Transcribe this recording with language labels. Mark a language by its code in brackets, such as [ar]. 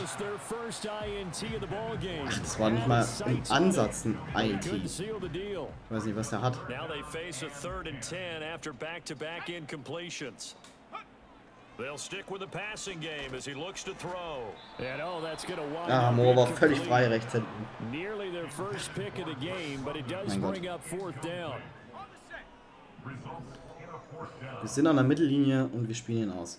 [de] Ach, das war nicht mal im Ansatz ein INT. Ich weiß nicht, was er hat. [en] Now they face a third and 10 after back-to-back incompletions. They'll stick with the passing game as he looks to throw. And oh, that's gonna wind up. [de] Ja, Moore war völlig frei rechts hinten. [en] Nearly their first pick of the game, but it does bring up fourth down. [de] Wir sind an der Mittellinie und wir spielen ihn aus.